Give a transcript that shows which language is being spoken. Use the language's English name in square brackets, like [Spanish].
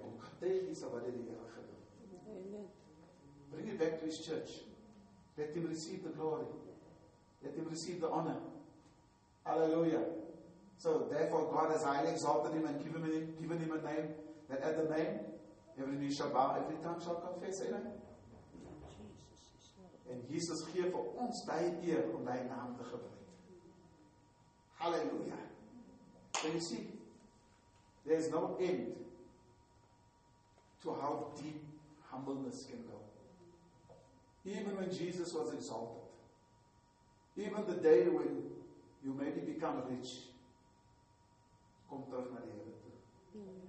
[Afrikaans] Kom getuig iets wat die Here gedoen. [English] Bring it back to His church. Let Him receive the glory. Let him receive the honor. Hallelujah. So therefore God has highly exalted him and given him a name, that at the name every knee shall bow, every tongue shall confess. Amen. [Afrikaans] And Jesus gee vir ons die eer om die naam te gebruik. Hallelujah. [English] So you see, there is no end to how deep humbleness can go. Even when Jesus was exalted, even the day when you maybe become rich, [Afrikaans] kom terug na die Here toe.